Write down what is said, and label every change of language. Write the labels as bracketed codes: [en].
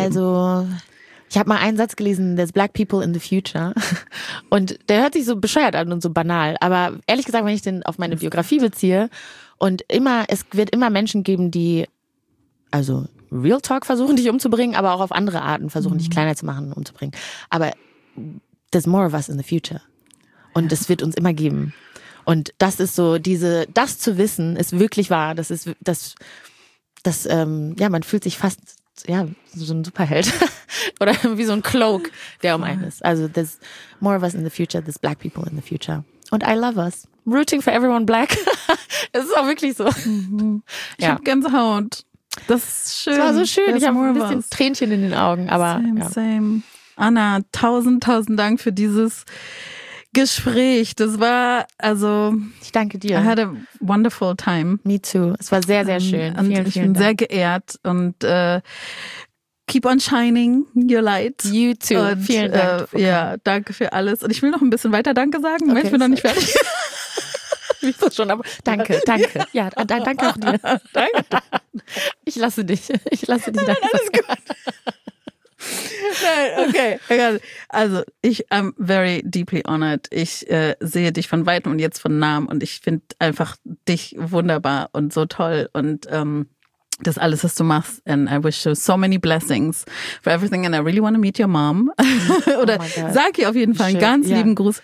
[de] Also, ich habe mal einen Satz gelesen, [en] there's black people in the future. [de] Und der hört sich so bescheuert an und so banal. Aber ehrlich gesagt, wenn ich den auf meine Biografie beziehe und immer, es wird immer Menschen geben, die, also real talk versuchen, dich umzubringen, aber auch auf andere Arten versuchen, dich kleiner zu machen und umzubringen. Aber [en] there's more of us in the future. [de] Und es wird uns immer geben. Und das ist so, das zu wissen, ist wirklich wahr. Das ist, man fühlt sich fast ja, so ein Superheld. Oder wie so ein Cloak, der um einen ist. [en] Also there's more of us in the future, there's black people in the future. And I love us. Rooting for everyone black. [de] Es ist auch wirklich so. Mhm. Ja. Ich hab Gänsehaut. Das ist schön. Das war so schön. Ich habe ein bisschen Tränchen in den Augen. Aber, [en] same. [de] Anna, tausend Dank für dieses Gespräch. Das war, also... Ich danke dir. [en] I had a wonderful time. Me too. [de] Es war sehr, sehr schön. Und vielen Dank. Sehr geehrt. Und [en] keep on shining your light. You too. [de] Und, vielen Dank. Ja, danke für alles. Und ich will noch ein bisschen weiter Danke sagen. Okay, ich bin noch nicht fertig. Wieso schon? Aber danke. Ja, danke auch dir. Danke. Ich lasse dich. Nein, alles gut. Nein, okay. Also, ich [en] am very deeply honored. [de] Ich sehe dich von Weitem und jetzt von Nahem und ich finde einfach dich wunderbar und so toll und das alles, was du machst. [en] And I wish you so many blessings for everything and I really want to meet your mom. [de] Oder oh sag ihr auf jeden Fall einen ganz lieben Gruß.